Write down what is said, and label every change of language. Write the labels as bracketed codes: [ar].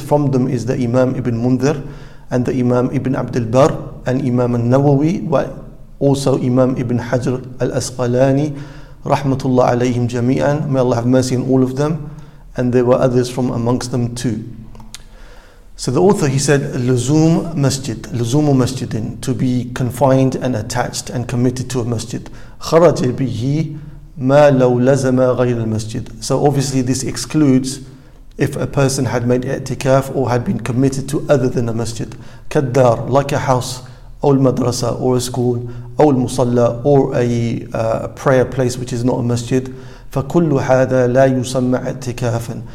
[en] From them is the Imam Ibn Munzir, and the Imam Ibn Abdul Barr, and Imam al-Nawawi, also Imam Ibn Hajr al-Asqalani, rahmatullah alayhim jami'an. May Allah have mercy on all of them. And there were others from amongst them too. So the author, he said, [ar] لزوم مسجد, لزوم مسجد, [en] to be confined and attached and committed to a masjid. [ar] خرج به ما لو لزم غير المسجد. [en] So obviously this excludes if a person had made i'tikaf or had been committed to other than a masjid. [ar] كالدار, [en] like a house, [ar] أو المدرسة, [en] or a school, [ar] أو المصلى, [en] or a prayer place which is not a masjid. [ar] فكل هذا لا يسمى اعتكافا.